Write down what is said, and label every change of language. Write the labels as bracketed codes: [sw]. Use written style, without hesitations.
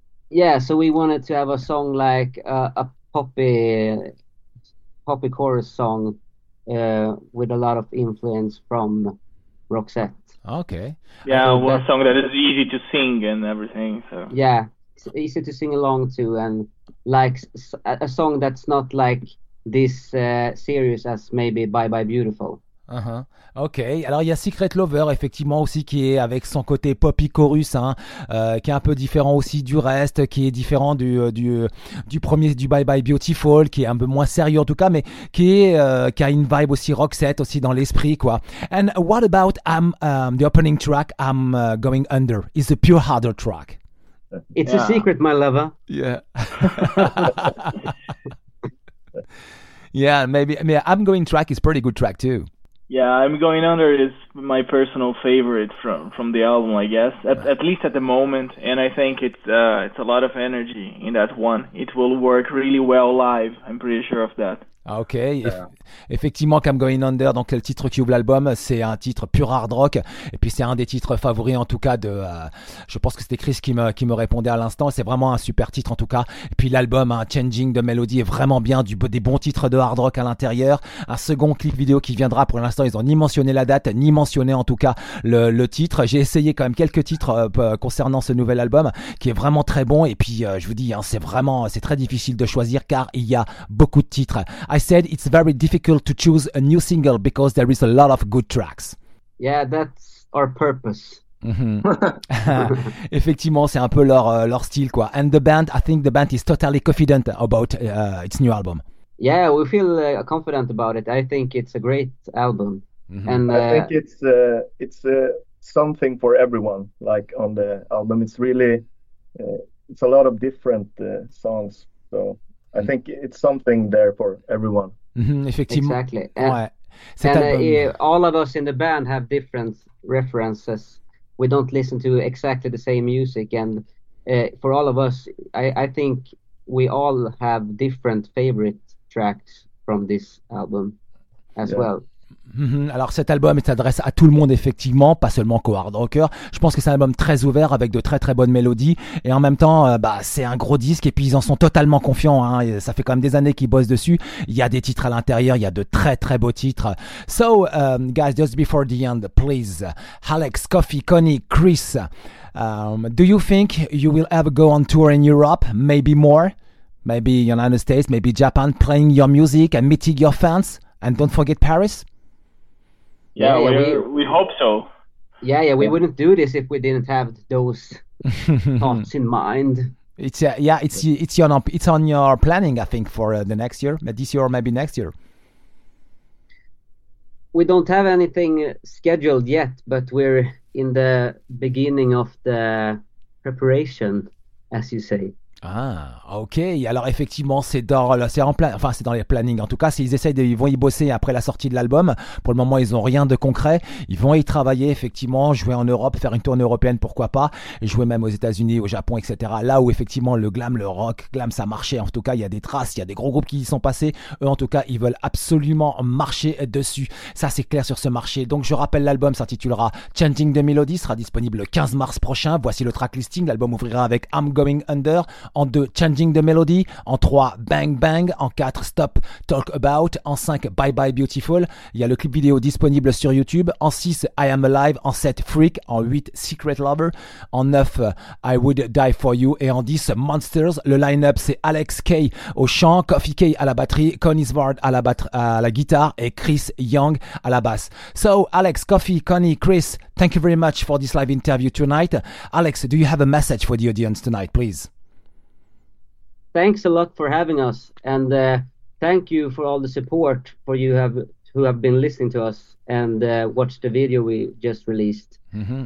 [en] Yeah, so we wanted to have a song like a poppy chorus song with a lot of influence from Roxette. Okay. Yeah, one song that is easy to sing and everything. So. Yeah. It's easy to sing along to, and like a song that's not like this serious as maybe "Bye Bye Beautiful". [fr] Ok, alors il y a "Secret Lover" effectivement aussi qui est avec son côté poppy chorus, hein, qui est un peu différent aussi du reste, qui est différent du premier, du "Bye Bye Beautiful", qui est un peu moins sérieux en tout cas, mais qui a une vibe aussi Roxette aussi dans l'esprit quoi. [en] And what about the opening track "I'm Going Under"? It's a pure harder track. It's a secret, my lover. Yeah. Yeah, maybe. I mean, "I'm Going Track" is pretty good track too. Yeah, "I'm Going Under" is my personal favorite from the album, I guess. At least at the moment, and I think it's a lot of energy in that one. It will work really well live. I'm pretty sure of that. [fr] Ah, ok, effectivement, Come Going Under, donc le titre qui ouvre l'album, c'est un titre pur hard rock, et puis c'est un des titres favoris en tout cas de, je pense que c'était Chris qui me répondait à l'instant, c'est vraiment un super titre en tout cas, et puis l'album, hein, Changing de Melody est vraiment bien, des bons titres de hard rock à l'intérieur, un second clip vidéo qui viendra, pour l'instant ils ont ni mentionné la date, ni mentionné en tout cas le titre, j'ai essayé quand même quelques titres concernant ce nouvel album, qui est vraiment très bon, et puis je vous dis, hein, c'est très difficile de choisir, car il y a beaucoup de titres. [en] I said it's very difficult to choose a new single because there is a lot of good tracks. Yeah, that's our purpose. [fr] Effectivement, c'est un peu leur style, quoi. [en] And the band, I think the band is totally confident about its new album. Yeah, we feel confident about it. I think it's a great album. Mm-hmm. And I think it's something for everyone, like on the album. It's really, it's a lot of different songs, so... I think it's something there for everyone. [fr] Effectivement. [en] Exactly. [fr] Ouais. Cet album. [en] All of us in the band have different references. We don't listen to exactly the same music. And for all of us, I think we all have different favorite tracks from this album as well. [fr] Alors cet album s'adresse à tout le monde effectivement, pas seulement qu'aux hard rockers. Je pense que c'est un album très ouvert avec de très très bonnes mélodies et en même temps c'est un gros disque et puis ils en sont totalement confiants, hein. Ça fait quand même des années qu'ils bossent dessus. Il y a des titres à l'intérieur, il y a de très très beaux titres. [en] So guys, just before the end, please, Alex, Coffee, Connie, Chris, do you think you will ever go on tour in Europe? Maybe more, maybe United States, maybe Japan, playing your music and meeting your fans, and don't forget Paris. Yeah, we hope so. Yeah, we wouldn't do this if we didn't have those thoughts in mind. It's on your planning, I think, for the next year, this year or maybe next year. We don't have anything scheduled yet, but we're in the beginning of the preparation, as you say. [fr] Ah, ok. Alors effectivement, c'est dans les plannings. En tout cas, ils vont y bosser après la sortie de l'album. Pour le moment, ils ont rien de concret. Ils vont y travailler effectivement, jouer en Europe, faire une tournée européenne, pourquoi pas, jouer même aux États-Unis, au Japon, etc. Là où effectivement le glam, le rock glam, ça marchait. En tout cas, il y a des traces, il y a des gros groupes qui y sont passés. Eux, en tout cas, ils veulent absolument marcher dessus. Ça, c'est clair sur ce marché. Donc, je rappelle, l'album s'intitulera Changing the Melody. Sera disponible le 15 mars prochain. Voici le track listing. L'album ouvrira avec I'm Going Under. En 2, Changing the Melody. En 3, Bang Bang. En 4, Stop Talk About. En 5, Bye Bye Beautiful. Il y a le clip vidéo disponible sur YouTube. En 6, I Am Alive. En 7, Freak. En 8, Secret Lover. En 9, I Would Die For You. Et en 10, Monsters. Le line-up, c'est Alex K au chant, Coffee K à la batterie, Connie Svard à la guitare et Chris Young à la basse. [en] So, Alex, Coffee, Connie, Chris, thank you very much for this live interview tonight. Alex, do you have a message for the audience tonight, please? Thanks a lot for having us, and thank you for all the support for you who have been listening to us and watched the video we just released. Mm-hmm.